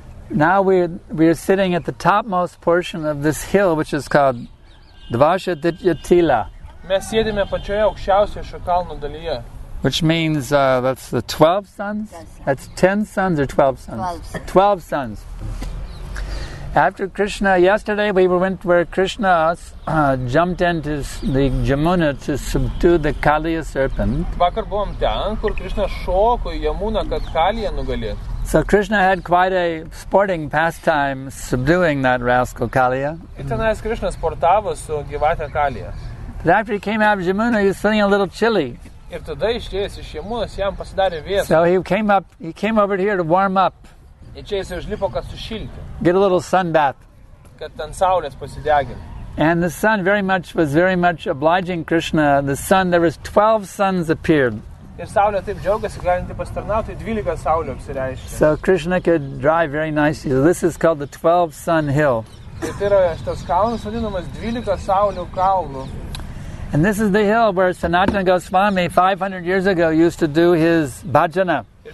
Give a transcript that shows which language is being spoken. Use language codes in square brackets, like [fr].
[en] Now we are sitting at the topmost portion of this hill, which is called Dvashadityatila. [lt] Mes sėdėme pačioje aukščiausioje šio kalno dalyje. [en] Which means that's the 12 sons? That's 10 sons or 12 sons? 12 sons. After Krishna, yesterday we went where Krishna jumped into the Jamuna to subdue the Kaliya serpent. [lt] Vakar buvom ten, kur Krishna šoko į Jamuną, kad Kaliya nugalėtų. [en] So Krishna had quite a sporting pastime subduing that rascal Kaliya. [lt] Tenais Krishna sportavo su gyvate Kaliya. [en] But after he came out of Jamuna, he was feeling a little chilly. [lt] Ir tada išėjęs iš Jamunos jam pasidarė vėsų. [en] So he came over here to warm up. [lt] Ir čia jis užlipo, kad sušilti. [en] Get a little sun bath. [lt] Kad ten saulės pasidegintų. [en] And the sun was very much obliging Krishna. The sun, there was 12 suns appeared. [lt] Ir saulė taip džiaugiasi, galinti pastarnauti, 12 saulių apsireiškė. [en] So Krishna could drive very nicely. This is called the 12 sun hill. [lt] Ir tai yra šitas kalnas, vadinamas 12 saulių kalnų. [en] And this is the hill where Sanatana Goswami 500 years ago used to do his bhajana.